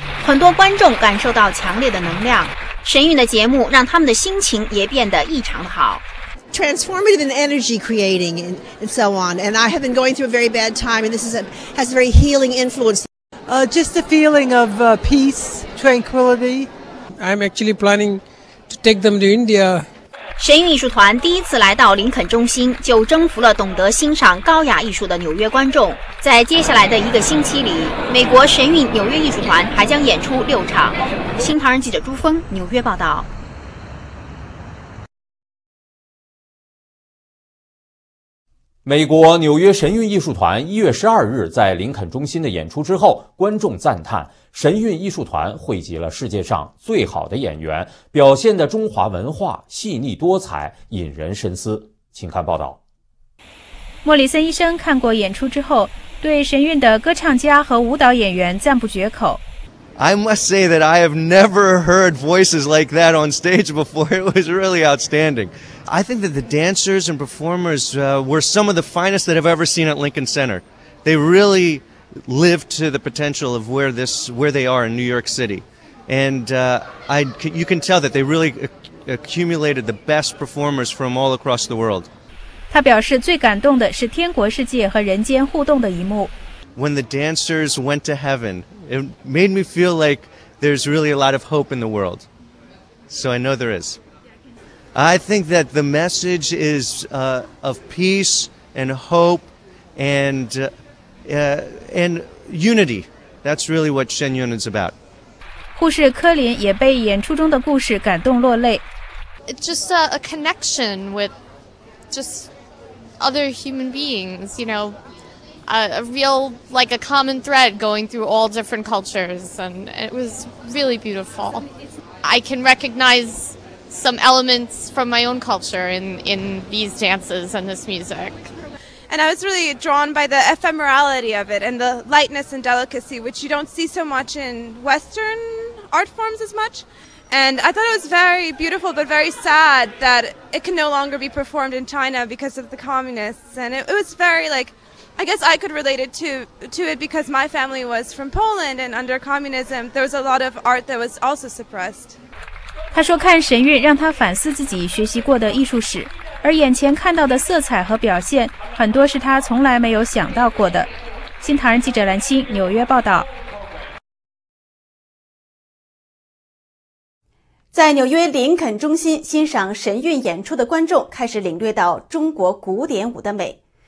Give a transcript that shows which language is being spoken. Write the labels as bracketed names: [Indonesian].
[Chinese] 很多观众感受到强烈的能量，神韵的节目让他们的心情也变得异常的好。 [English] Transformative and energy creating and so on. And I have been going through a very bad time, and this has a very healing influence. Just a feeling of peace, tranquility. I'm actually planning to take them to India. [Chinese] 神韵艺术团第一次来到林肯中心，就征服了懂得欣赏高雅艺术的纽约观众。在接下来的一个星期里，美国神韵纽约艺术团还将演出六场。新唐人记者朱峰，纽约报道。美国纽约神韵艺术团1月12日在林肯中心的演出之后，观众赞叹神韵艺术团汇集了世界上最好的演员，表现的中华文化细腻多彩，引人深思。请看报道。莫里森医生看过演出之后，对神韵的歌唱家和舞蹈演员赞不绝口。 [English] I must say that I have never heard voices like that on stage before. It was really outstanding. I think that the dancers and performers were some of the finest that I've ever seen at Lincoln Center. They really lived to the potential of where they are in New York City. And you can tell that they really accumulated the best performers from all across the world. [Chinese] 他表示最感动的是天国世界和人间互动的一幕。 [English] When the dancers went to heaven, it made me feel like there's really a lot of hope in the world. So I know there is. I think that the message is of peace and hope and unity. That's really what Shen Yun is about. [Chinese] 护士柯林也被演出中的故事感动落泪。 [English] It's just a connection with just other human beings, you know. A real, like a common thread going through all different cultures, and it was really beautiful. I can recognize some elements from my own culture in these dances and this music. And I was really drawn by the ephemerality of it and the lightness and delicacy, which you don't see so much in Western art forms as much. And I thought it was very beautiful, but very sad that it can no longer be performed in China because of the communists. And it was very, like,I guess I could relate it to it because my family was from Poland and under communism, there was a lot of art that was also suppressed. [Chinese] 他说看神韵让他反思自己学习过的艺术史，而眼前看到的色彩和表现很多是他从来没有想到过的。新唐人记者蓝青，纽约报道。在纽约林肯中心欣赏神韵演出的观众开始领略到中国古典舞的美。